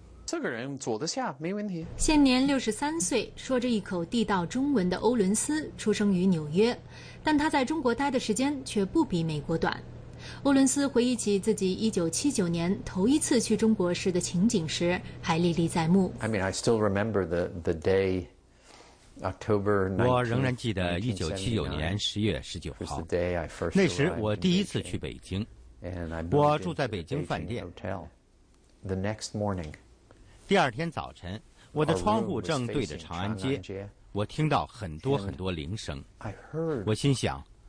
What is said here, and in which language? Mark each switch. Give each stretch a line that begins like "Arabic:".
Chinese: 这个人坐得下没问题。现年63岁，说着一口地道中文的欧伦斯出生于纽约，但他在中国待的时间却不比美国短。欧伦斯回忆起自己1979年头一次去中国时的情景时，还历历在目。
English: I mean, I still remember the day, October 19th.
Chinese: 我仍然记得1979年10月19号。那时我第一次去北京，我住在北京饭店。
English: The next morning,
Chinese: 第二天早晨，我的窗户正对着长安街，我听到很多很多铃声。我心想，